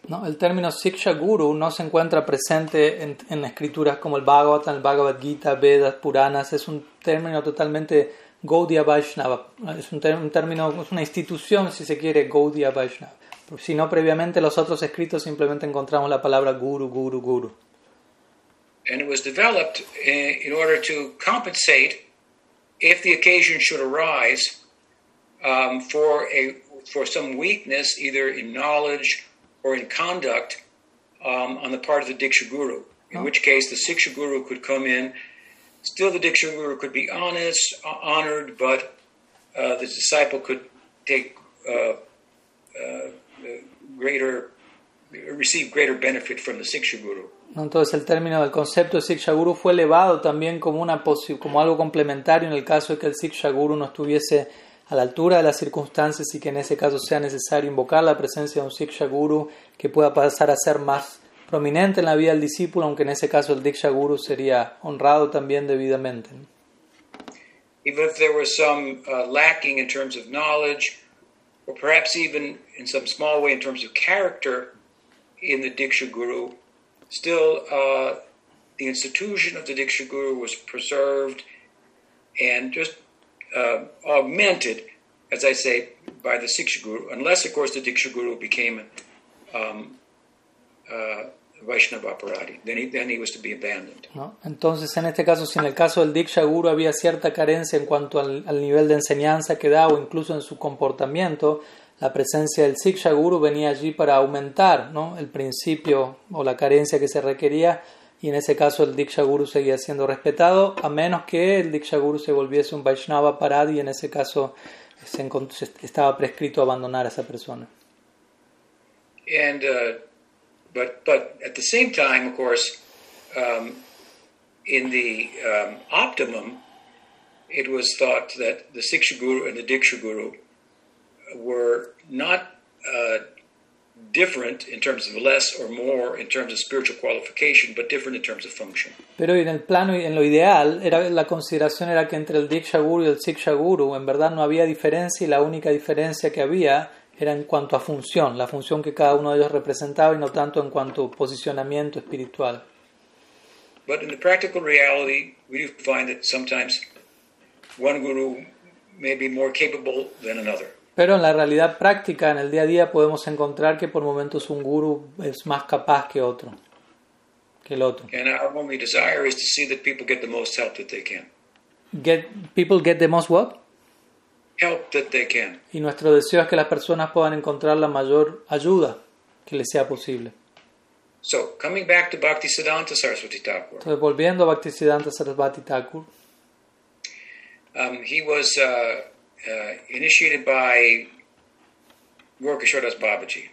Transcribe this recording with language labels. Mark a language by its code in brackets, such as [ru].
[es] No, el término Siksha Guru no se encuentra presente en escrituras como el Bhagavatam, el Bhagavad Gita, Vedas, Puranas. Es un término totalmente Gaudiya Vaishnava. Es un término, es una institución, si se quiere, Gaudiya Vaishnava. Si no previamente los otros escritos simplemente encontramos la palabra guru. [en] And it was developed in order to compensate if the occasion should arise for some weakness either in knowledge or in conduct on the part of the Diksha Guru. In which case the Siksha Guru could come in. Still the Diksha Guru could be honored, but the disciple could take receive greater benefit from the Siksha Guru. [es] Entonces el término del concepto de Siksha Guru fue elevado también como algo complementario en el caso de que el Siksha Guru no estuviese a la altura de las circunstancias y que en ese caso sea necesario invocar la presencia de un Siksha Guru que pueda pasar a ser más prominente en la vida del discípulo, aunque en ese caso el Diksha Guru sería honrado también debidamente. [en] Even if there was some lacking in terms of knowledge, or perhaps even in some small way in terms of character in the Diksha Guru, still the institution of the Diksha Guru was preserved and just augmented, as I say, by the Siksha Guru, unless, of course, the Diksha Guru became Vaishnava Aparadi. Then he was to be abandoned. [es] No. Entonces, en este caso, si en el caso del Diksha Guru había cierta carencia en cuanto al nivel de enseñanza que da o incluso en su comportamiento, la presencia del Siksha Guru venía allí para aumentar, ¿no?, el principio o la carencia que se requería, y en ese caso el Diksha Guru seguía siendo respetado, a menos que el Diksha Guru se volviese un Vaishnava Aparadi, y en ese caso estaba prescrito abandonar a esa persona. [en] And, But at the same time, of course, in the optimum, it was thought that the Siksha Guru and the Diksha Guru were not different in terms of less or more in terms of spiritual qualification, but different in terms of function. [es] Pero en el plano y en lo ideal, la consideración era que entre el Diksha Guru y el Siksha Guru, en verdad no había diferencia y la única diferencia que había era en cuanto a función, la función que cada uno de ellos representaba y no tanto en cuanto a posicionamiento espiritual. [en] But in the practical reality, we do find that sometimes one guru may be more capable than another. [es] Pero en la realidad práctica, en el día a día, podemos encontrar que por momentos un guru es más capaz que otro, que el otro. [en] And our only desire is to see that people get the most help that they can. People get the most what? Help that they can. [es] Y nuestro deseo es que las personas puedan encontrar la mayor ayuda que les sea posible. [en] So, coming back to Bhaktisiddhanta Sarasvati Thakur. [es] Entonces, volviendo a Bhaktisiddhanta Sarasvati Thakur. [en] He was initiated by Gaur Kishore Das Babaji.